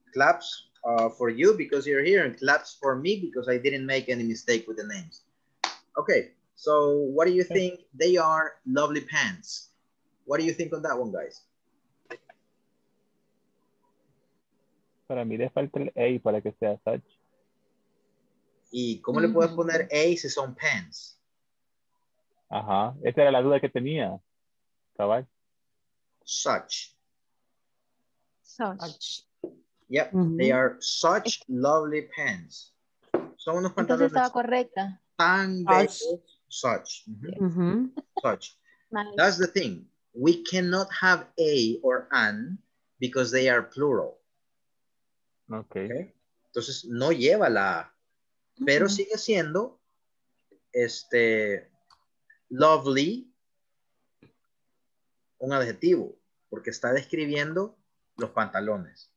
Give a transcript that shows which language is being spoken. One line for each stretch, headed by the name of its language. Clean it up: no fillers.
English: Claps for you because you're here, and claps for me because I didn't make any mistake with the names. Okay, so what do you think? They are lovely pants. What do you think on that one, guys?
Spanish: Para mí le falta el A para que sea such. ¿Y cómo le puedes poner A si son pants? Ajá, esa era la duda que tenía, cabal.
English: Such. Such. Yep, mm-hmm. They are such lovely pants.
Spanish: Son unos pantalones. Entonces estaba correcta. Tan bellos. Such. Mm-hmm.
English: Such. Nice. That's the thing. We cannot have a or an because they are plural. Okay. Okay?
Spanish: Entonces no lleva la A. Pero mm-hmm. sigue siendo este lovely, un adjetivo, porque está describiendo los pantalones.